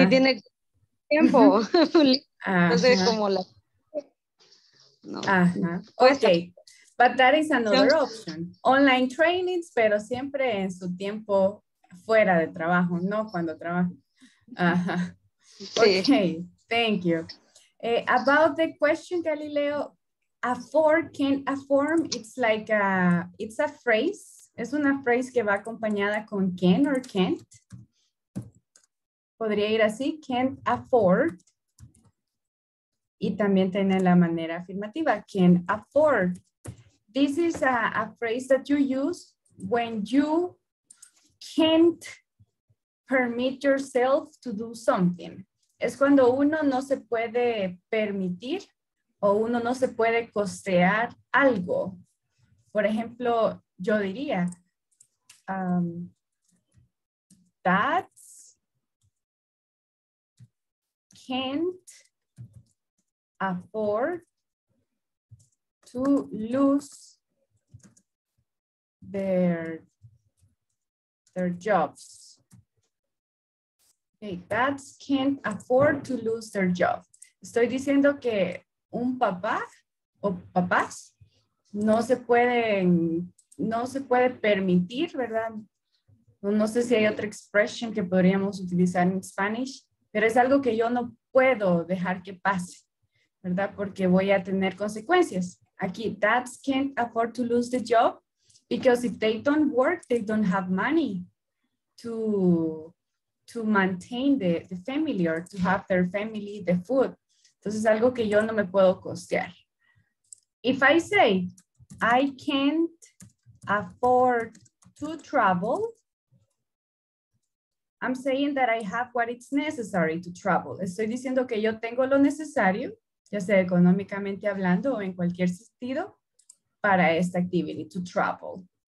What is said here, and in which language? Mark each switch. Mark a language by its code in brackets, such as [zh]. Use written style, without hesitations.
[es] Y tiene tiempo. Entonces, como la. [en] No. Ajá. Ok. But that is another option. Online trainings, [es] pero siempre en su tiempo fuera de trabajo, no cuando trabaja. [en] Ajá. Okay, thank you. About the question, Galileo, afford, can afford, it's like it's a phrase. [es] Es una phrase que va acompañada con [en] can or can't. [es] Podría ir así, [en] can't afford. [es] Y también tiene la manera afirmativa, [en] can afford. This is a phrase that you use when you can't permit yourself to do something. [es] Es cuando uno no se puede permitir o uno no se puede costear algo. Por ejemplo, yo diría, [en] that's can't afford to lose their jobs. [es] Hey, dads can't afford to lose their job. Estoy diciendo que un papá o papás no se puede permitir, ¿verdad? No sé si hay otra expresión que podríamos utilizar en Spanish, pero es algo que yo no puedo dejar que pase, ¿verdad? Porque voy a tener consecuencias. [en] Aquí, dads can't afford to lose the job because if they don't work, they don't have money to maintain the family or to have their family the food. [es] Entonces, algo que yo no me puedo costear. [en] If I say, I can't afford to travel, I'm saying that I have what it's necessary to travel. [es] Estoy diciendo que yo tengo lo necesario, ya sea económicamente hablando o en cualquier sentido, para esta activity, [en] to travel.